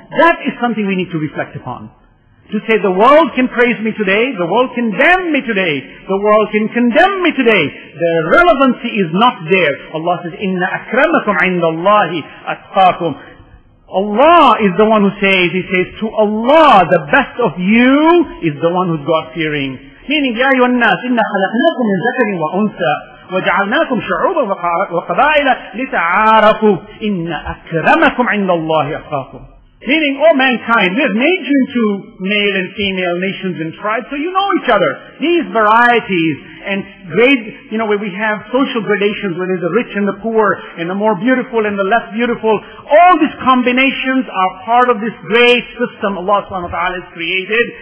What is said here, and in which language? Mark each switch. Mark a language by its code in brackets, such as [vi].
[en] That is something we need to reflect upon. To say the world can praise me today, the world can damn me today, the world can condemn me today. The relevancy is not there. Allah says, [ar] "Inna akramakum inda Allahi atqakum." [en] Allah is the one who says, He says, to Allah, the best of you is the one who's God-fearing. Meaning, [ar] يَا أَيُّهَا النَّاسِ إِنَّا خَلَقْنَاكُمْ مِنْ ذَكَرٍ وَأُنْثَى وَجَعَلْنَاكُمْ شُعُوبًا وَقَبَائِلَ لِتَعَارَفُوا إِنَّا أَكْرَمَكُمْ عِنْدَ اللَّهِ أَتْقَاكُمْ. [en] Meaning, all mankind, we have made you into male and female nations and tribes, so you know each other. These varieties and grade, you know, where we have social gradations, where there's the rich and the poor, and the more beautiful and the less beautiful, all these combinations are part of this great system Allah subhanahu wa ta'ala has created.